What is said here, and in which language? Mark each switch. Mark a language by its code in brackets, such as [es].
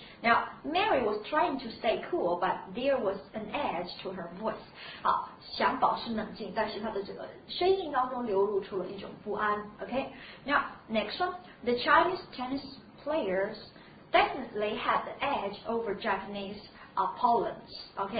[en] Now, Mary was trying to stay cool, but there was an edge to her voice. [zh] 好，想保持冷静，但是她的这个声音当中流露出了一种不安 ,OK? [en] Now, next one, the Chinese tennis players definitely had the edge over Japanese opponents, OK?